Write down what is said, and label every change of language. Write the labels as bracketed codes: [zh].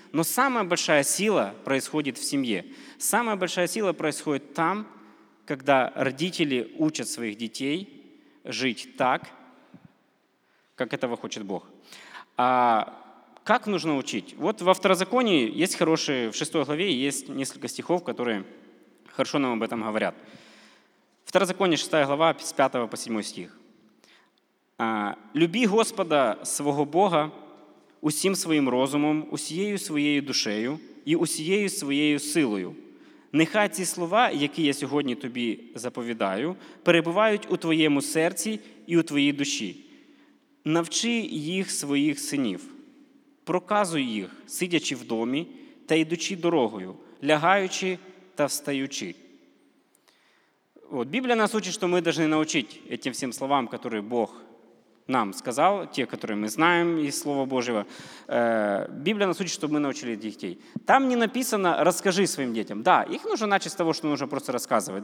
[ru] Но самая большая сила происходит в семье. Самая большая сила происходит там, когда родители учат своих детей жить так, как этого хочет Бог. А как нужно учить? Вот во Второзаконии есть хорошие, в 6 главе есть несколько стихов, которые хорошо нам об этом говорят. Второзаконие, 6 глава, с 5 по 7 стих. [uk] «Люби Господа свого Бога усім своим розумом, усією своєю душею і усією своєю силою. Нехай ці слова, які я сьогодні тобі заповідаю, перебувають у твоєму серці і у твоїй душі. Навчи їх своїх синів. Проказуй їх, сидячи в домі та йдучи дорогою, лягаючи та встаючи». [ru] Вот, Библия нас учит, что мы должны научить этим всем словам, которые Бог нам сказал, те, которые мы знаем из Слова Божьего. Библия нас учит, чтобы мы научили детей. Там не написано «расскажи своим детям». Да, их нужно начать с того, что нужно просто рассказывать.